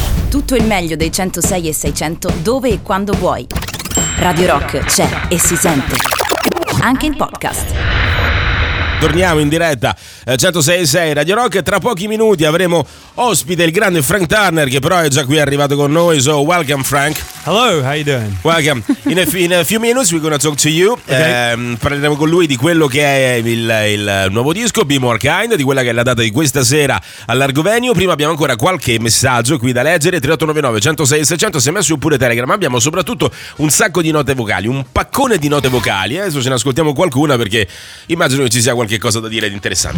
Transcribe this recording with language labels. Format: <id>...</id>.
<it>Tutto il meglio dei 106 e 600 dove e quando vuoi. Radio Rock c'è e si sente anche in podcast. Torniamo in diretta 106.6 Radio Rock. Tra pochi minuti avremo ospite il grande Frank Turner, che però è già qui, è arrivato con noi.</it> <en>So welcome, Frank. Hello, how you doing? Welcome. In a few minutes we're gonna talk to you. Okay.</en> <it>Parleremo con lui di quello che è il nuovo disco Be More Kind, di quella che è la data di questa sera all'Argo Venue. Prima abbiamo ancora qualche messaggio qui da leggere. 3899 106 600, si è messo pure Telegram. Abbiamo soprattutto un sacco di note vocali, un paccone di note vocali. Adesso ce ne ascoltiamo qualcuna, perché immagino che ci sia qualche cosa da dire di interessante.</it>